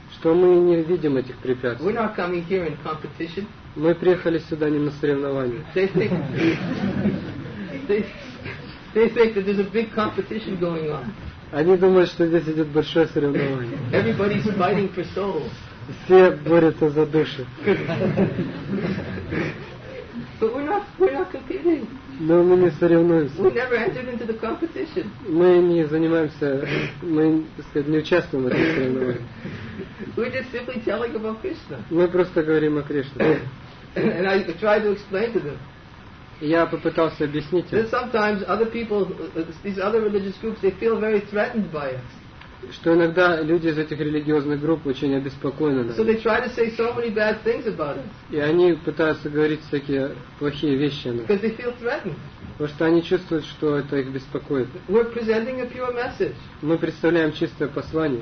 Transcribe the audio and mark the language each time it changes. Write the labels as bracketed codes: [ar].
[ru] Что мы не видим этих препятствий. [en] We're not coming here in competition. [ru] Мы приехали сюда не на соревнования. [en] They think that there's a big competition going on. [ru] Они думают, что здесь идет большое соревнование. [en] Everybody's fighting for souls. [ru] Все борются за души. [en] But we're not competing. [ru] Но мы не соревнуемся. [en] We never entered into the competition. [ru] Мы не занимаемся, мы, так сказать, не участвуем в этом соревновании. [en] We're just simply telling about Krishna. [ru] Мы просто говорим о Кришне. [en] And I try to explain to them. [ru] Я попытался объяснить им. [en] That sometimes other people, these other religious groups, they feel very threatened by us. [ru] Что иногда люди из этих религиозных групп очень обеспокоены нами. [en] So they try to say so many bad things about us. [ru] И они пытаются говорить всякие плохие вещи о нас. [en] Because they feel threatened. [ru] Потому что они чувствуют, что это их беспокоит. [en] We're presenting a pure message. [ru] Мы представляем чистое послание.